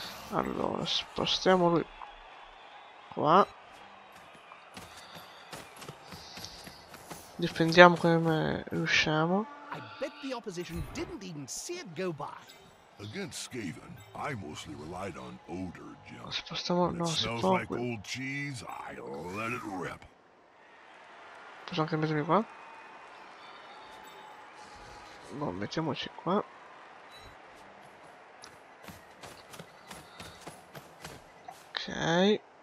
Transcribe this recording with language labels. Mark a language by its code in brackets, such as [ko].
[it] Allora, spostiamo lui qua. Difendiamo come riusciamo. [en] I bet the opposition didn't even see it go by. Against Skaven, I mostly relied on odor, Jim. [it] Spostiamo, no, si può. [en] Smells like old cheese, I let it rip. [it] Posso anche mettermi qua? No, mettiamoci qua. Ok.